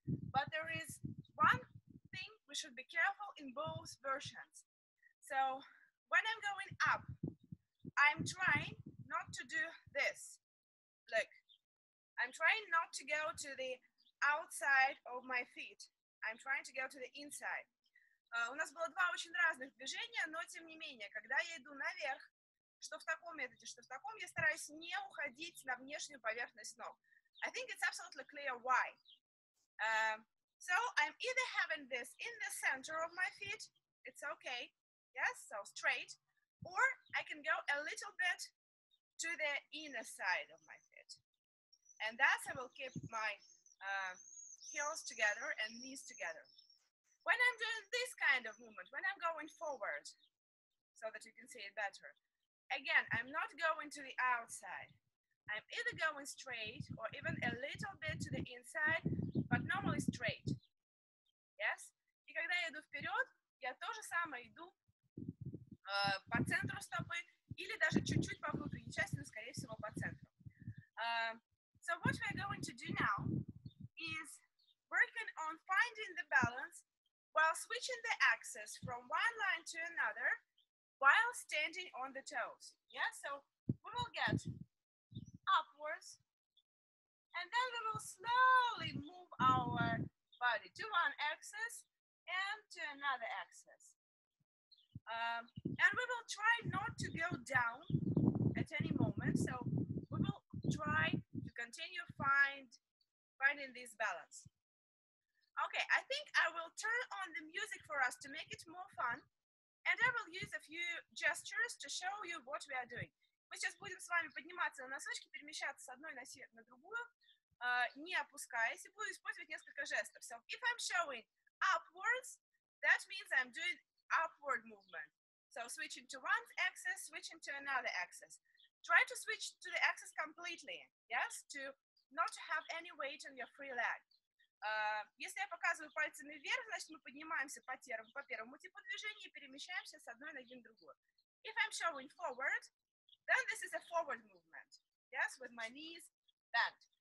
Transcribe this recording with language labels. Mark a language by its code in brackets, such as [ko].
[en] But there is one thing we should be careful in both versions. So when I'm going up, I'm trying not to do this. Look, I'm trying not to go to the outside of my feet. I'm trying to go to the inside. [ru] У нас было два очень разных движения, но тем не менее, когда я иду наверх, что в таком методе, что в таком, я стараюсь не уходить на внешнюю поверхность ног. [en] I think it's absolutely clear why. So I'm either having this in the center of my feet, it's okay, yes, so straight, or I can go a little bit to the inner side of my feet. And that's I will keep my heels together and knees together. When I'm doing this kind of movement, when I'm going forward, so that you can see it better, again, I'm not going to the outside. I'm either going straight or even a little bit to the inside, but normally straight. Yes? [ru] И когда я иду вперед, я то же самое иду по центру стопы или даже чуть-чуть по внутренней части, но скорее всего по центру. [en] So what we're going to do now is working on finding the balance while switching the axis from one line to another while standing on the toes. Yeah, so we will get upwards and then we will slowly move our body to one axis and to another axis. And we will try not to go down at any moment, so we will try to continue finding this balance. Okay, I think I will turn on the music for us to make it more fun. And I will use a few gestures to show you what we are doing. [ru] Мы сейчас будем с вами подниматься на носочки, перемещаться с одной носи на другую, не опускаясь, и буду использовать несколько жестов. [en] So if I'm showing upwards, that means I'm doing upward movement. So switching to one axis, switching to another axis. Try to switch to the axis completely, yes? To not have any weight on your free leg. [ru] Если я показываю пальцами вверх, значит мы поднимаемся по первому типу движения и перемещаемся с одной ноги на другую. [en] If I'm showing forward, then this is a forward movement, yes, with my knees bent.